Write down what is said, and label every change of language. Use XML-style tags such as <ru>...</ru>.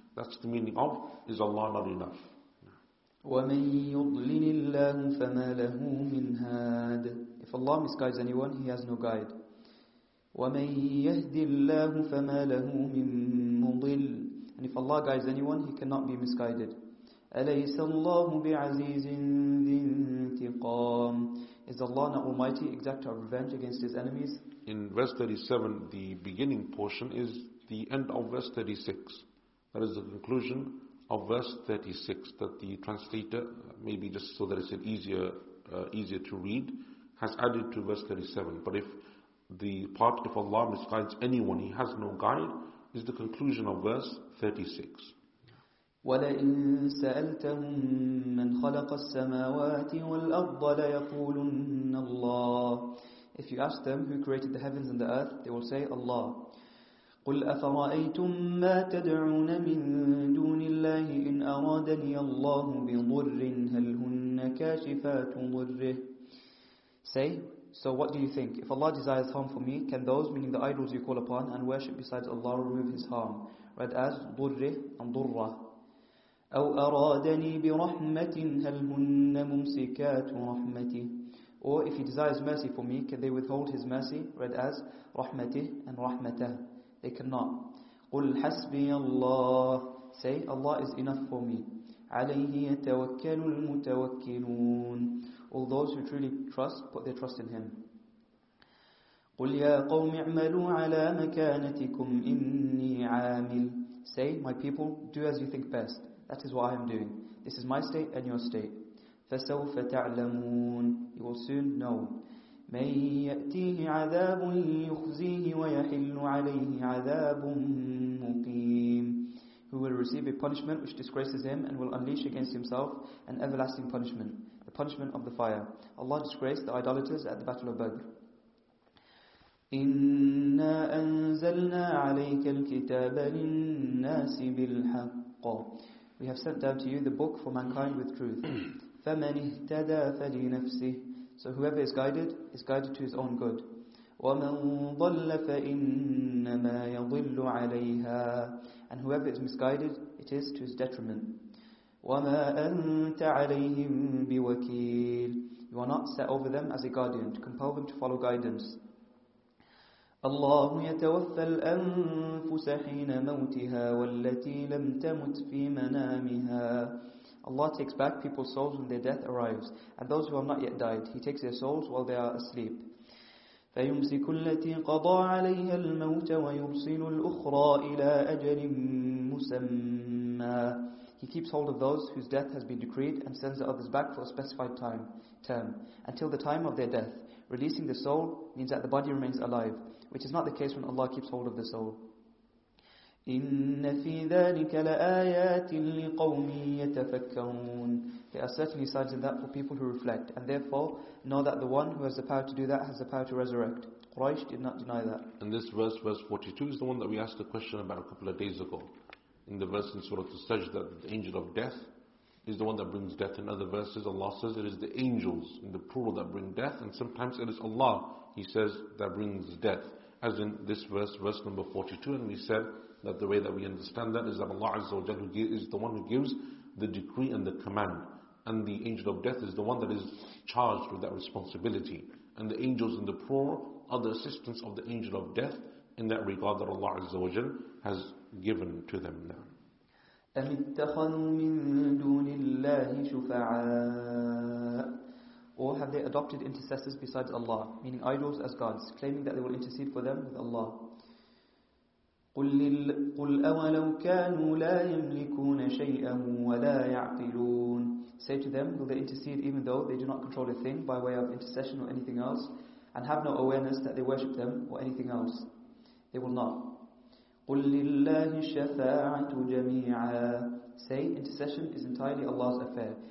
<en>That's the meaning of, is Allah not enough?</en> <ar>وَمَن يُضْلِلِ اللَّهُ فَمَا لَهُ مِنْ هَادٍ.</ar> <en>If Allah misguides anyone, He has no guide.</en> <ar>وَمَن يَهْدِ اللَّهُ فَمَا لَهُ مِنْ مُضِلٍ.</ar> <en>And if Allah guides anyone, He cannot be misguided.</en> <ar>أليس الله بعزيز ذي انتقام.</ar> <en>Is Allah not Almighty, exact of revenge against His enemies? In verse 37, the beginning portion is the end of verse 36. That is the conclusion of verse 36. That the translator, maybe just so that it's an easier to read, has added to verse 37. But if the part, if Allah misguides anyone, He has no guide, is the conclusion of verse 36.</en> <ar>وَلَئِن سَأَلْتَهُمْ مَنْ خَلَقَ السَّمَاوَاتِ وَالْأَرْضَ لَيَقُولُنَّ اللَّهِ.</ar> <en>If you ask them who created the heavens and the earth, they will say Allah.</en> <ar>قُلْ أَفَرَأَيْتُمْ مَا تَدْعُونَ مِنْ دُونِ اللَّهِ إِنْ أَرَادَنِيَ اللَّهُ بِضُرٍ هَلْ هُنَّ كَاشِفَاتُ ضُرِّهِ.</ar> <en>Say, so what do you think? If Allah desires harm for me, can those, meaning the idols you call upon and worship besides Allah, remove His harm? Read as ضُرِّه and ضُرَّه.</en> <ar>أو أرادني برحمة هل هن ممسكات رحمتي.</ar> <en>Or if He desires mercy for me, can they withhold His mercy? Read as رحمته and رحمته. They cannot.</en> <ar>قل حسبي الله.</ar> <en>Say, Allah is enough for me.</en> <ar>عليه يتوكل المتوكلون.</ar> <en>All those who truly trust, put their trust in Him.</en> <ar>قل يا قوم اعملوا على مكانتكم إني عامل.</ar> <en>Say, my people, do as you think best. That is what I am doing. This is my state and your state.</en> <ar>فَسَوْفَ تَعْلَمُونَ.</ar> <en>You will soon know.</en> <ar>مَنْ يَأْتِيهِ عَذَابٌ يُخْزِيهِ وَيَحِلُّ عَلَيْهِ عَذَابٌ مُقِيمٌ.</ar> <en>Who will receive a punishment which disgraces him and will unleash against himself an everlasting punishment. The punishment of the fire. Allah disgraced the idolaters at the Battle of Badr.</en> <ar>إِنَّا أَنزَلْنَا عَلَيْكَ الْكِتَابَ لِلنَّاسِ بِالْحَقِّ.</ar> <en>We have sent down to you the book for mankind with truth.</en> <ar>فَمَنِ اهْتَدَى فَلِنَفْسِهِ.</ar> <en>So whoever is guided to his own good.</en> <ar>وَمَنْ ضَلَّ فَإِنَّمَا يَضِلُّ عَلَيْهَا.</ar> <en>And whoever is misguided, it is to his detriment.</en> <ar>وَمَا أَنْتَ عَلَيْهِمْ بِوَكِيلٍ.</ar> <en>You are not set over them as a guardian to compel them to follow guidance.</en> <ar>الله يتوفى الأنفس حين موتها والتي لم تمت في منامها.</ar> <en>Allah takes back people's souls when their death arrives, and those who have not yet died, He takes their souls while they are asleep.</en> <ar>فيمسك التي قضى عليها الموت ويرسل الأخرى إلى أجل مسمى.</ar> <en>He keeps hold of those whose death has been decreed and sends the others back for a specified time, term, until the time of their death. Releasing the soul means that the body remains alive, which is not the case when Allah keeps hold of the soul.</en> <ar>إن في ذلك لآيات لقوم يتفكرون.</ar> <en>There are certainly signs in that for people who reflect, and therefore know that the one who has the power to do that has the power to resurrect. Quraysh did not deny that. And this verse, verse 42, is the one that we asked a question about a couple of days ago. In the verse in Surah Al-Sajd, that the angel of death is the one that brings death. In other verses, Allah says it is the angels in the plural that bring death, and sometimes it is Allah, He says, that brings death. As in this verse, verse number 42, and we said that the way that we understand that is that Allah Azza wa Jal is the one who gives the decree and the command, and the angel of death is the one that is charged with that responsibility. And the angels in the plural are the assistants of the angel of death in that regard that Allah Azza wa Jal has given to them now.</en> <ar>أم اتخذوا من دون الله شفعاء؟</ar> <en>Or have they adopted intercessors besides Allah, meaning idols as gods, claiming that they will intercede for them with Allah?</en> <ar>قل أولو كانوا لا يملكون شيئا ولا يعقلون.</ar> <en>Say to them, will they intercede even though they do not control a thing by way of intercession or anything else, and have no awareness that they worship them or anything else? They will not.</en> <ar>قُلْ لِلَّهِ الشَّفَاعَةُ جَمِيعًا.</ar> <en>Say, intercession is entirely Allah's affair.</en>